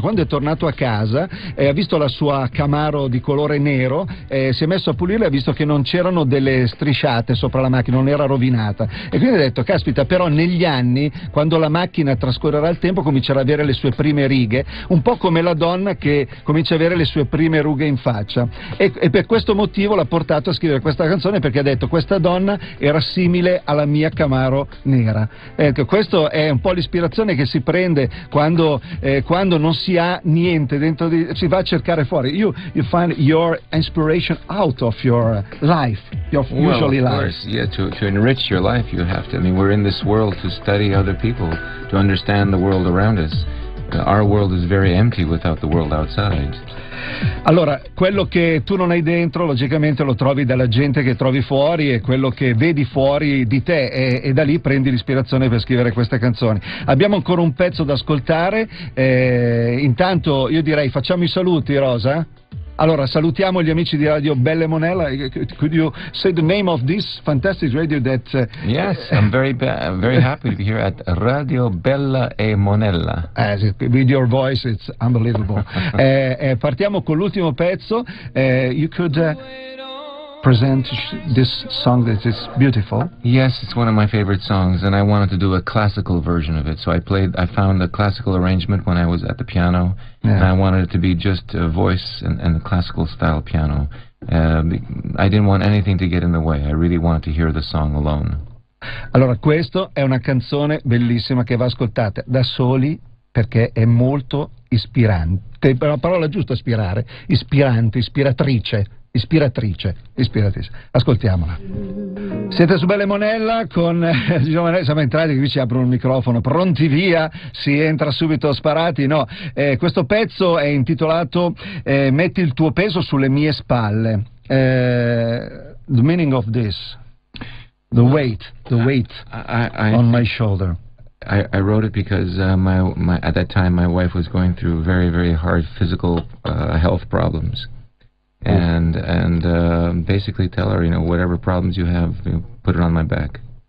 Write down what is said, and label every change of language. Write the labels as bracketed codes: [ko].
[it] Quando è tornato a casa ha visto la sua Camaro di colore nero, si è messo a pulirla e ha visto che non c'erano delle strisciate sopra la macchina, non era rovinata, e quindi ha detto, caspita, però negli anni, quando la macchina trascorrerà il tempo, comincerà ad avere le sue prime righe, un po' come la donna che comincia ad avere le sue prime rughe in faccia, e per questo motivo l'ha portato a scrivere questa canzone, perché ha detto, questa donna era simile alla mia Camaro nera. Ecco, questo è un po' l'ispirazione che si prende quando quando non si ha niente dentro di, si va a cercare fuori. [en] You find your inspiration out of your life, your usually life. Well, of course, yeah, to enrich your life you have to. I mean, we're in this world to study other people, to understand the world around us. Our world is very empty without the world outside. [it] Allora, quello che tu non hai dentro logicamente lo trovi dalla gente che trovi fuori, e quello che vedi fuori di te, e da lì prendi l'ispirazione per scrivere queste canzoni. Abbiamo ancora un pezzo da ascoltare, intanto io direi facciamo i saluti, Rosa. Allora, salutiamo gli amici di Radio Belle Monella. [en] Could you say the name of this fantastic radio that... Yes, I'm very very happy to be here at Radio Bella e Monella. With your voice, it's unbelievable. partiamo con l'ultimo pezzo. You could present this song that is beautiful. Yes, it's one of my favorite songs, and I wanted to do a classical version of it. So I found a classical arrangement when I was at the piano. Yeah. And I wanted it to be just a voice and the classical style piano. I didn't want anything to get in the way. I really wanted to hear the song alone. [it] Allora, questo è una canzone bellissima che va ascoltata da soli, perché è molto ispirante. È una parola giusta, ispirare. Ispirante, ispiratrice. Ispiratrice, ascoltiamola. Siete su Belle Monella con Giovanni, siamo entrati, qui ci aprono il microfono, pronti via, si entra subito sparati. No, questo pezzo è intitolato Metti il tuo peso sulle mie spalle. [en] The meaning of this, the weight on my shoulder. I wrote it because my at that time my wife was going through very very hard physical health problems. And basically tell her, you know, whatever problems you have, you know, put it on my back.